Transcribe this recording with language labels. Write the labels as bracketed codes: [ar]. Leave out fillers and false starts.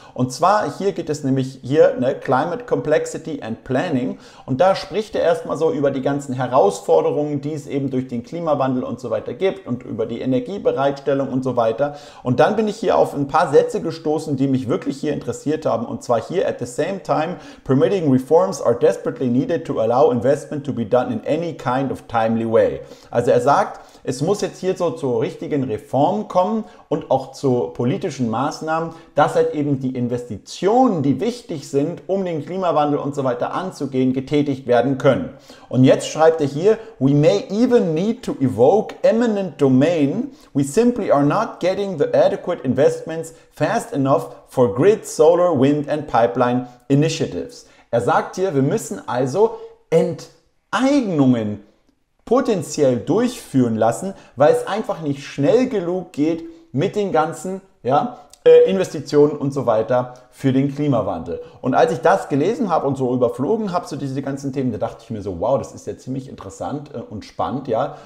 [de] Und zwar hier geht es nämlich hier, ne, Climate Complexity and Planning. Und da spricht er erstmal so über die ganzen Herausforderungen, die es eben durch den Klimawandel und so weiter gibt und über die Energiebereitstellung und so weiter. Und dann bin ich hier auf ein paar Sätze gestoßen, die mich wirklich hier interessiert haben. Und zwar hier, [en] at the same time, permitting reforms are desperately needed to allow investment to be done in any kind of timely way. [de] Also er sagt, es muss jetzt hier so zur richtigen Reform kommen und auch zu politischen Maßnahmen, dass halt eben die Investitionen, die wichtig sind, um den Klimawandel und so weiter anzugehen, getätigt werden können. Und jetzt schreibt er hier, [en] we may even need to evoke eminent domain. We simply are not getting the adequate investments fast enough for grid, solar, wind and pipeline initiatives. [de] Er sagt hier, wir müssen also Enteignungen potenziell durchführen lassen, weil es einfach nicht schnell genug geht mit den ganzen, ja, Investitionen und so weiter für den Klimawandel. Und als ich das gelesen habe und so überflogen habe, so diese ganzen Themen, da dachte ich mir so, wow, das ist ja ziemlich interessant und spannend, ja.